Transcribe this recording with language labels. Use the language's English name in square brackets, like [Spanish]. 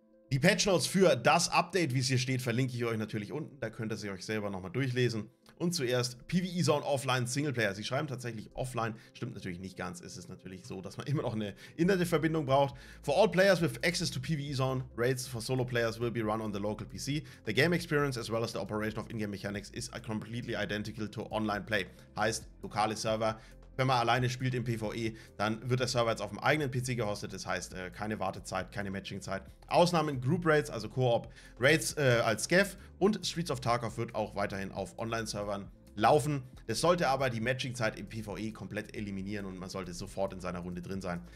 [German] Die Patch Notes für das Update, wie es hier steht, verlinke ich euch natürlich unten. Da könnt ihr sie euch selber nochmal durchlesen. Und zuerst PvE Zone Offline Singleplayer. Sie schreiben tatsächlich offline. Stimmt natürlich nicht ganz. Es ist natürlich so, dass man immer noch eine Internetverbindung braucht. [English] For all players with access to PvE Zone, raids for solo players will be run on the local PC. The game experience as well as the operation of in-game mechanics is completely identical to online play. [German] Heißt, lokale Server. Wenn man alleine spielt im PvE, dann wird der Server jetzt auf dem eigenen PC gehostet. Das heißt, keine Wartezeit, keine Matchingzeit. Ausnahmen Group Raids, also Koop Raids als Scav und Streets of Tarkov wird auch weiterhin auf Online-Servern laufen. Das sollte aber die Matchingzeit im PvE komplett eliminieren und man sollte sofort in seiner Runde drin sein.